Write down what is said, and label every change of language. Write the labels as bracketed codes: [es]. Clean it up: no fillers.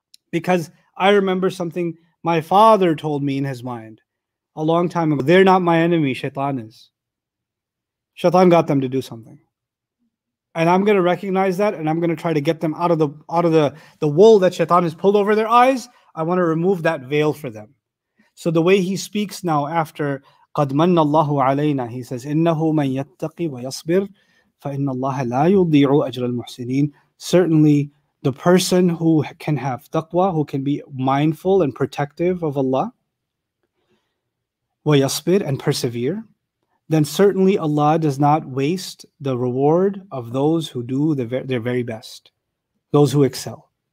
[en] Because I remember something my father told me in his mind a long time ago. They're not my enemy, shaitan is. Shaitan got them to do something. And I'm going to recognize that, and I'm going to try to get them out of the wool that shaitan has pulled over their eyes. I want to remove that veil for them. So the way he speaks now after [ar] قَدْ مَنَّ اللَّهُ عَلَيْنَا, [en] he says, [ar] إِنَّهُ مَنْ يَتَّقِي وَيَصْبِرْ فَإِنَّ اللَّهَ لَا يُضِيعُ أَجْرَ الْمُحْسِنِينَ. [en] Certainly, the person who can have taqwa, who can be mindful and protective of Allah, [ar] وَيَصْبِرْ, [en] and persevere, then certainly Allah does not waste the reward of those who do their very best, those who excel.